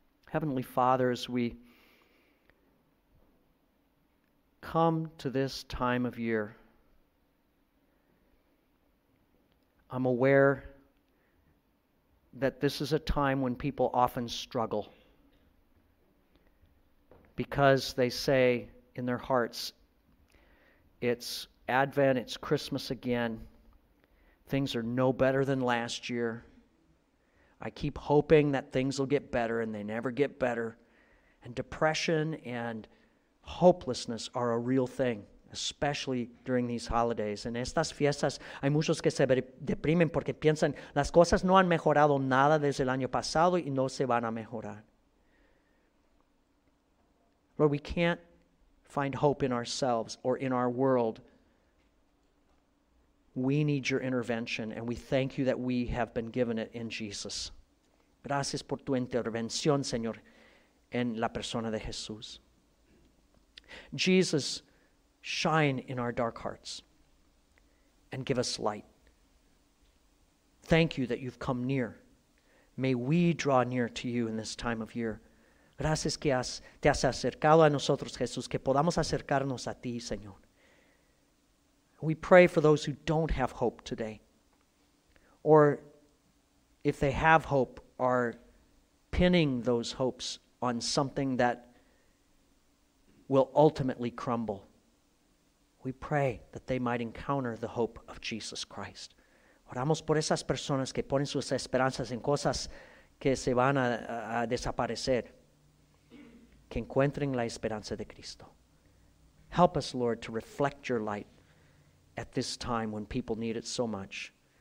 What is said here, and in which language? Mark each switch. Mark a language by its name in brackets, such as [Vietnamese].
[English] Heavenly Father, as we come to this time of year, I'm aware that this is a time when people often struggle because they say in their hearts, it's Advent, it's Christmas again. Things are no better than last year. I keep hoping that things will get better, and they never get better. And depression and hopelessness are a real thing, especially during these holidays. [Spanish] En estas fiestas hay muchos que se deprimen porque piensan las cosas no han mejorado nada desde el año pasado y no se van a mejorar. [English] Lord, we can't find hope in ourselves or in our world. We need your intervention, and we thank you that we have been given it in Jesus. [Spanish] Gracias por tu intervención, Señor, en la persona de Jesús. [English] Jesus, shine in our dark hearts and give us light. Thank you that you've come near. May we draw near to you in this time of year. [Spanish] Gracias que te has acercado a nosotros, Jesús, que podamos acercarnos a ti, Señor. [English] We pray for those who don't have hope today, or if they have hope, are pinning those hopes on something that will ultimately crumble. We pray that they might encounter the hope of Jesus Christ. [Spanish] Oramos por esas personas que ponen sus esperanzas en cosas que se van a desaparecer, que encuentren la esperanza de Cristo. [English] Help us, Lord, to reflect your light at this time when people need it so much.